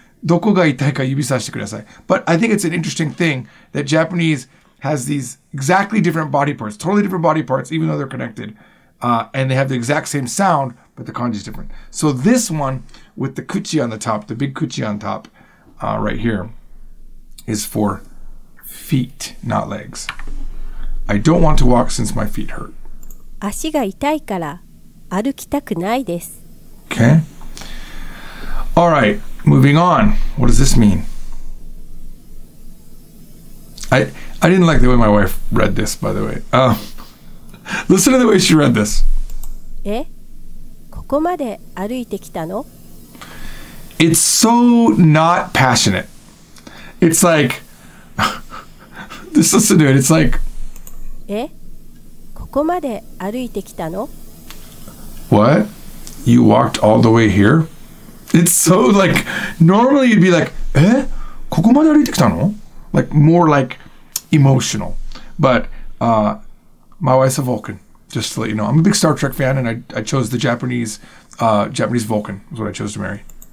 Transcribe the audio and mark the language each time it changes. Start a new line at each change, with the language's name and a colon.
Japanese: Doko ga itai ka yubisashite kudasai.
English: But I think it's an interesting thing that Japanese has these exactly different body parts, totally different body parts, even though they're connected, and they have the exact same sound, but the kanji is different. So this one with the kuchi on the top, the big kuchi on top, right here, is for feet, not legs. I don't want to walk since my feet hurt.
Japanese: 足が痛いから歩きたくないです.
English: Okay. All right, moving on. What does this mean? I didn't like the way my wife read this, by the way. Listen to the way she read this. え?
Japanese: ここまで歩いてきたの?
English: It's so not passionate. It's like, just listen to it. It's like,
Japanese: え? ここまで歩いてきたの?
English: What? You walked all the way here? It's so like, normally you'd be like,
Japanese: eh? Koko made arite kita no?
English: Like more like emotional. But my wife's a Vulcan, just to let you know. I'm a big Star Trek fan, and I chose the Japanese Vulcan is what I chose to marry.